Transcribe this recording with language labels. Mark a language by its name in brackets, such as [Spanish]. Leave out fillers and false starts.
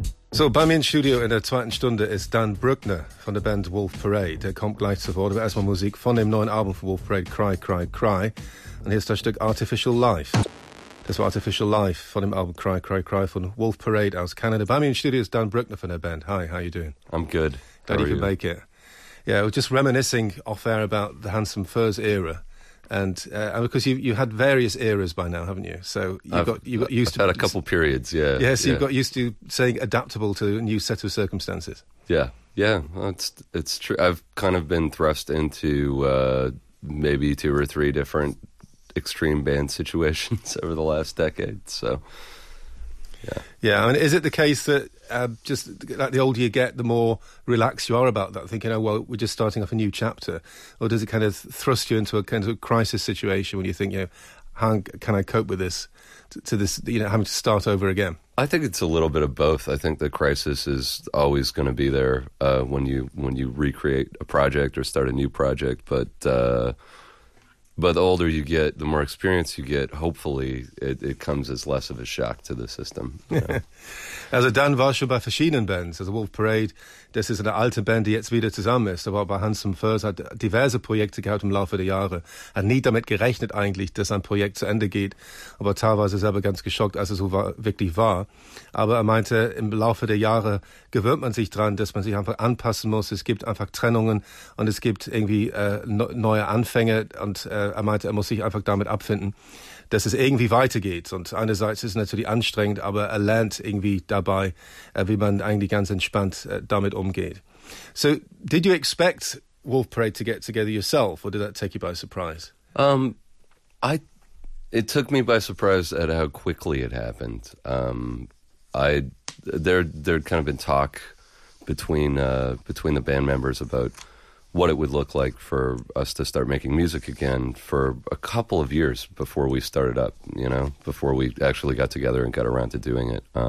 [German] So, bei mir im Studio in der zweiten Stunde ist Dan Brückner von der Band Wolf Parade. Er kommt gleich zu Wort, aber erstmal Musik von dem neuen Album von Wolf Parade, Cry, Cry, Cry. Und hier ist das Stück Artificial Life. Das war Artificial Life von dem Album Cry, Cry, Cry von Wolf Parade aus Kanada. Bei mir im Studio ist Dan Brückner von der Band. [English] Hi, how you doing? I'm good. Glad you could make it. Yeah, we're just reminiscing off-air about the Handsome Furs era. And because you had various eras by now, haven't you? So you got used to had a couple periods, yeah. Yes, yeah, so you've got used to saying adaptable to a new set of circumstances. Yeah, yeah, well, it's true. I've kind of been thrust into maybe two or three different extreme band situations over the last decade. So, yeah. Yeah, I mean, is it the case that just like the older you get, the more relaxed you are about that, thinking, oh, well, we're just starting off a new chapter? Or does it kind of thrust you into a kind of crisis situation when you think, you know, how can I cope with this, to this, you know, having to start over again? I think it's a little bit of both. I think the crisis is always going to be there when you recreate a project or start a new project. But the older you get, the more experience you get, hopefully it comes as less of a shock to the system. [German] Also Dan war schon bei verschiedenen Bands. Also Wolf Parade, das ist eine alte Band, die jetzt wieder zusammen ist. Aber bei Handsome Furs hat diverse Projekte gehabt im Laufe der Jahre. Hat nie damit gerechnet eigentlich, dass ein Projekt zu Ende geht. Aber teilweise selber ganz geschockt, als es so wirklich war. Aber er meinte, im Laufe der Jahre gewöhnt man sich dran, dass man sich einfach anpassen muss. Es gibt einfach Trennungen und es gibt irgendwie neue Anfänge. Und er meinte, er muss sich einfach damit abfinden, dass es irgendwie weitergeht. Und einerseits ist es natürlich anstrengend, aber er lernt irgendwie dabei, wie man eigentlich ganz entspannt damit umgeht. [English] So, did you expect Wolf Parade to get together yourself, or did that take you by surprise? It took me by surprise at how quickly it happened. There'd kind of been talk between the band members about what it would look like for us to start making music again for a couple of years before we started up, you know, before we actually got together and got around to doing it.